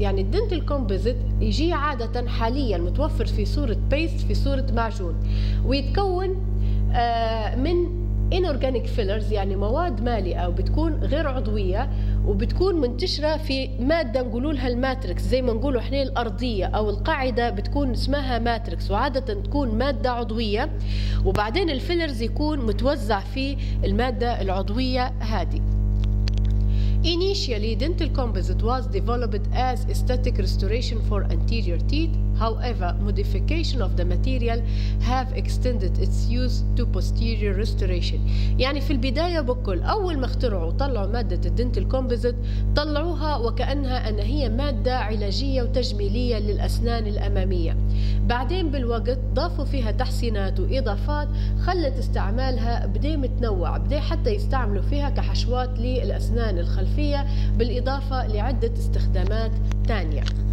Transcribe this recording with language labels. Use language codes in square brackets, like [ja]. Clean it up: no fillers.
[ar] يعني dental composite يجي عادة حاليا متوفر في صورة paste في صورة معجون، ويتكون من inorganic fillers يعني مواد مالئة وبتكون غير عضوية، وبتكون منتشرة في مادة نقولولها الماتريكس، زي ما نقولو احنا الأرضية أو القاعدة بتكون اسمها ماتريكس، وعادة تكون مادة عضوية، وبعدين الفيلرز يكون متوزع في المادة العضوية هذه. [en] Initially, dental composite was developed as aesthetic restoration for anterior teeth. However, modification of the material have extended its use to posterior restoration. [ar] يعني في البداية بكل أول ما اخترعوا طلعوا مادة dental composite طلعوها وكأنها أن هي مادة علاجية وتجميلية للأسنان الأمامية. بعدين بالوقت ضافوا فيها تحسينات وإضافات خلت استعمالها بدأ متنوع، بدأ حتى يستعملوا فيها كحشوات للأسنان الخلفية فيها بالإضافة لعدة استخدامات تانية.